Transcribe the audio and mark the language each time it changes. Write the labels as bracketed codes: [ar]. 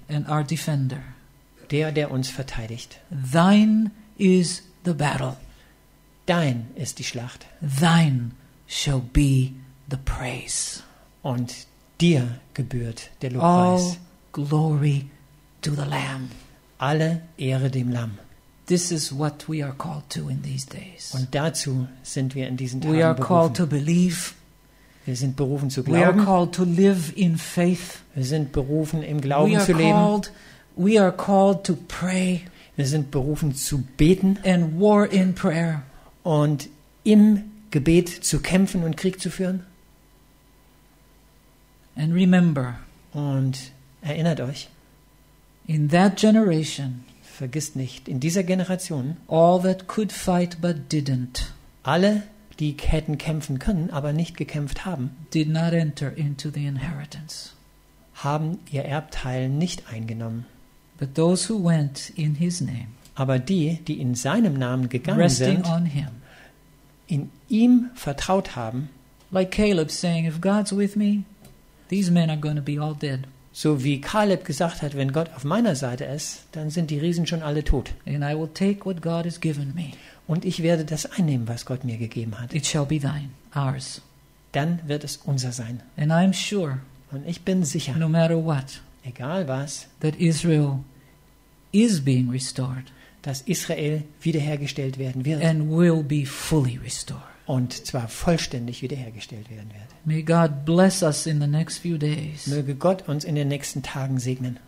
[en] And our defender. [de] Der uns verteidigt. [en] Thine is the battle. [de] Dein ist die Schlacht. [en] Thine shall be the praise. [de] Und dir gebührt der Lobpreis. [en] All glory to the Lamb. [de] Alle Ehre dem Lamm. [en] This is what we are called to in these days. [de] Und dazu sind wir in diesen Tagen berufen. [en] We are called to believe. [de] Wir sind berufen zu glauben. [en] We are called to live in faith. [de] Wir sind berufen im Glauben zu leben. [en] We are called We are called to pray. [de] Wir sind berufen zu beten. [en] And war in prayer. [de] Und im Gebet zu kämpfen und Krieg zu führen. [en] And remember. [de] Und erinnert euch. [en] In that generation. [de] vergisst nicht, in dieser Generation [en] all that could fight but didn't, [de] alle, die hätten kämpfen können, aber nicht gekämpft haben, [en] did not enter into the inheritance, [de] haben ihr Erbteil nicht eingenommen. [en] But those who went in his name, [de] aber die, die in seinem Namen gegangen [en] resting [de] sind, [en] on him, [de] in ihm vertraut haben, [en] like Caleb saying, if God's with me, these men are going to be all dead. [de] So wie Caleb gesagt hat, wenn Gott auf meiner Seite ist, dann sind die Riesen schon alle tot. [en] And I will take what God has given me. [de] Und ich werde das einnehmen, was Gott mir gegeben hat. [en] It shall be thine, ours. [de] Dann wird es unser sein. [en] And I'm sure, [de] und ich bin sicher, [en] no matter what, [de] egal was, [en] that Israel is being restored, [de] dass Israel wiederhergestellt werden wird. [en] And will be fully restored. [de] Und zwar vollständig wiederhergestellt werden wird. [en] May God bless us in the next few days. [de] Möge Gott uns in den nächsten Tagen segnen.